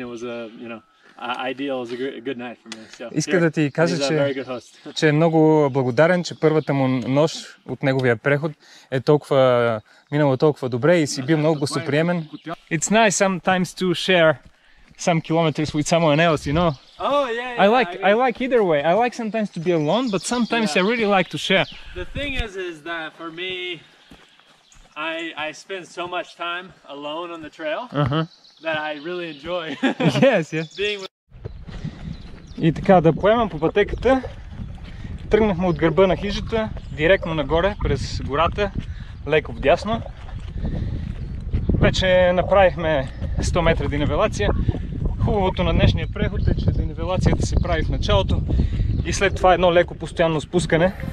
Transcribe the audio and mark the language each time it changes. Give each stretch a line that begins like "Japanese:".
English: It was a, you know, ideal, it was a good night for me. So,
Bulgarian: иска да ти кажа, че е много благодарен, че първата му нощ от неговия преход е толкова, минало толкова добре и си бил много гостоприемен.
English: It's nice sometimes to share some kilometers with someone else, you know. Oh yeah, yeah. I like either way. I like sometimes to be alone, but sometimes yeah. I really like to share. The thing is that for me, I spend so much time alone on the trail that I really enjoy. Yes, yes. Being with...
Bulgarian: И така, да поемам по пътеката. Тръгнахме от гърба на хижата, директно нагоре през гората, леко вдясно. Вече направихме 100 метра денивелация. Хубавото на днешния преход е, че денивелацията се прави в началото и след това едно леко постоянно спускане.